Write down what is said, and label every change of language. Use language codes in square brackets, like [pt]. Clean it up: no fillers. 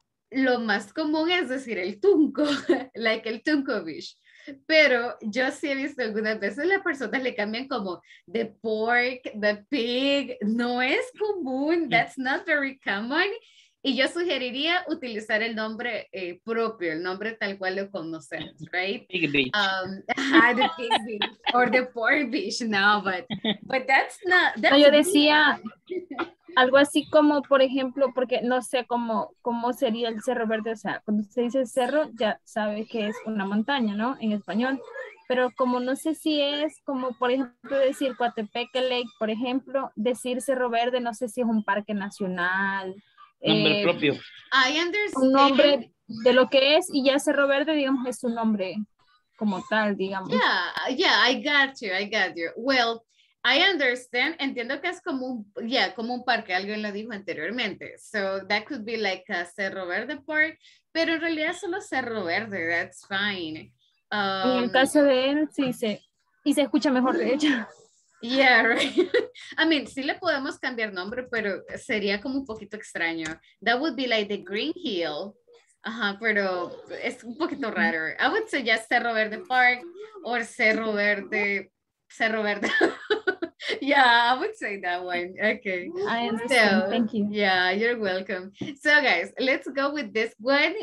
[es] Lo más común es decir el Tunco, like el Tunco Beach. Pero yo sí he visto algunas veces las personas le cambian como the pork, the pig, no es común, [en] that's not very common. [es] Y yo sugeriría utilizar el nombre propio, el nombre tal cual lo conocemos, right? [en] Pig beach. The pig beach, or the pork beach, no, but that's not... That's [es] no, yo decía algo así como, por ejemplo, porque no sé cómo sería el Cerro Verde, o sea, cuando se dice cerro, ya sabe que es una montaña, ¿no? En español. Pero como no sé si es como, por ejemplo, decir Coatepeque Lake, por ejemplo, decir Cerro Verde, no sé si es un parque nacional... Nombre propio. [en] I understand. [es] Un nombre de lo que es y ya Cerro Verde, digamos, es su nombre como tal, digamos. [en] Yeah, I got you. Well, I understand. [es] Entiendo que es como un, como un parque, alguien lo dijo anteriormente. [en] So that could be like a Cerro Verde Park, [es] pero en realidad solo [en] Cerro Verde, that's fine. [es] En el caso de él, sí, se escucha mejor de hecho. [en] Yeah, right. I mean, [es] sí le podemos cambiar nombre, pero sería como un poquito extraño. [en] That would be like the Green Hill. Ajá, [es] pero es un poquito raro. [en] I would say just Cerro Verde Park or Cerro Verde. Yeah, I would say that one. Okay. I understand. So, thank you. Yeah, you're welcome. So guys, let's go with this one.